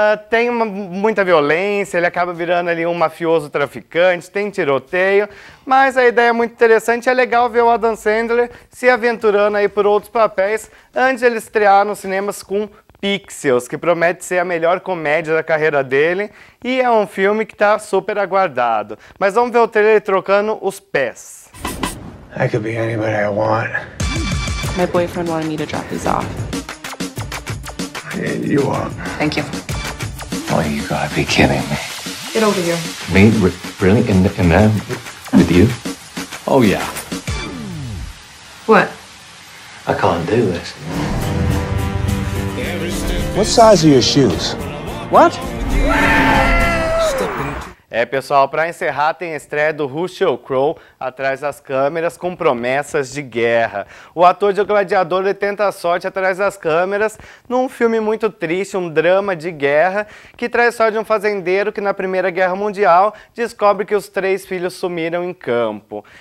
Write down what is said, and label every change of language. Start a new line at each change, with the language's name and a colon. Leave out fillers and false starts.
Portuguese: Tem muita violência, ele acaba virando ali um mafioso traficante, tem tiroteio, mas a ideia é muito interessante. É legal ver o Adam Sandler se aventurando aí por outros papéis antes de ele estrear nos cinemas com Pixels, que promete ser a melhor comédia da carreira dele, e é um filme que está super aguardado. Mas vamos ver o trailer Trocando os Pés.
English: I could be anybody I want. My boyfriend wanted me to drop these off. You are. Thank you. Oh, you gotta be kidding me. Get over here. Me? Really? And then with you? Oh, yeah. What? I can't do this. What size are your shoes? What?
Portuguese: É, pessoal, para encerrar, tem a estreia do Russell Crowe atrás das câmeras com promessas de guerra. O ator de O Gladiador tenta a sorte atrás das câmeras num filme muito triste, um drama de guerra, que traz a sorte de um fazendeiro que na Primeira Guerra Mundial descobre que os três filhos sumiram em campo.